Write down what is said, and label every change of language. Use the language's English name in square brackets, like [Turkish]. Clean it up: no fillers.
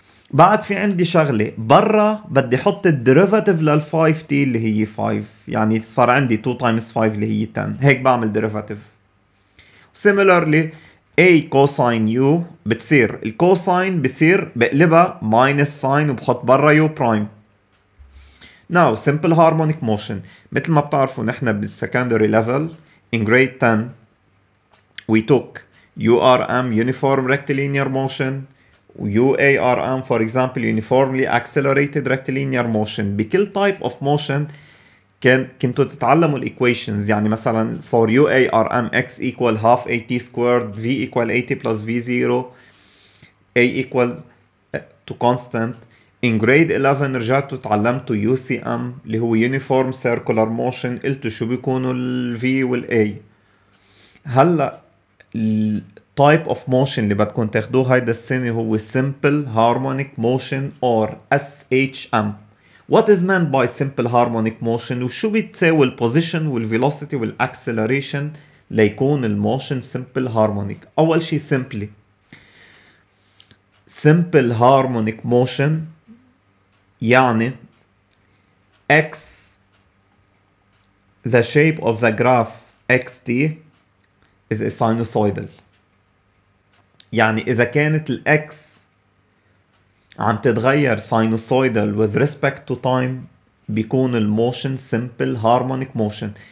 [Arabic] بعد في عندي شغلة برا، بدي حط الديريفاتيف لل 5t اللي هي 5، يعني صار عندي 2 times 5 اللي هي 10، هيك بعمل ديريفاتيف. [English] Similarly a cosine u [Arabic] بتصير الكوساين بصير بقلبها [English] minus sine [Arabic] وبحط برا [English] u prime. Now simple harmonic motion، [Arabic] مثل ما بتعرفوا نحن [English] بالsecondary level in grade 10 we took URM uniform rectilinear motion UARM for example uniformly accelerated rectilinear motion. بكل type of motion [Arabic] كنتوا تتعلموا الإيكويشنز، يعني مثلا [English] for UARM x equal half at squared v equal at plus v0 a equal to constant. In grade 11 [Arabic] رجعتوا تعلمتوا [English] UCM اللي هو uniform circular motion، [Arabic] قلتوا شو بيكونوا [English] ال v وال a. [Arabic] هلأ ال [English] type of motion [Arabic] اللي بتكون تاخدوه هيدا السنة هو [English] simple harmonic motion or SHM. What is meant by simple harmonic motion [Arabic] وشو بتساوي [English] position والvelocity والacceleration [Arabic] ليكون الموشن [English] simple harmonic؟ [Arabic] أول شيء [English] simply simple harmonic motion يعني x the shape of the graph xt is a sinusoidal، [Arabic] يعني إذا كانت [English] x [Arabic] عم تتغير [English] sinusoidal with respect to time [Arabic] بيكون الموشن [English] simple harmonic motion.